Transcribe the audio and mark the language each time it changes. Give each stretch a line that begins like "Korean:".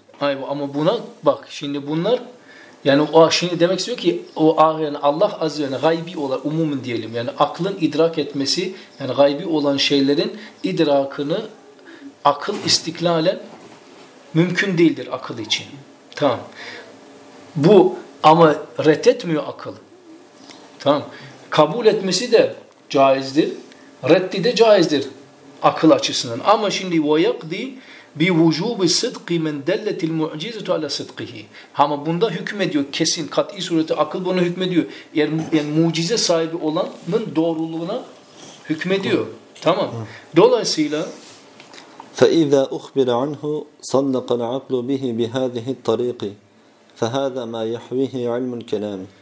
Turkish: Ay, ama buna bak şimdi bunlar yani o şimdi demek istiyor ki o yani Allah azze ve celle gaybi olan umumun diyelim yani aklın idrak etmesi yani gaybi olan şeylerin idrakını akıl istiklalen mümkün değildir akıl için. Tamam. Bu ama reddetmiyor akıl. Tamam. Kabul etmesi de caizdir. Reddi de caizdir. Akıl açısından. Ama şimdi
Arabic: وَيَقْضِي بِوُجُوبِ صِدْقِ مَنْ دَلَّتِ الْمُعْجِزَةُ عَلَى صِدْقِهِ
Turkish: Ama bunda hükmediyor. Kesin, kat'i surete akıl bunu hükmediyor. Yani mucize sahibi olanın doğruluğuna hükmediyor. Tamam. Dolayısıyla
Arabic: فَاِذَا اُخْبِرَ عَنْهُ صَدَّقَ الْعَقْلُ بِهِ بِهَذِهِ الطَّرِيقِ فَهَذَا مَا يَحْوِهِ عِلْمُ الْكَلَامِ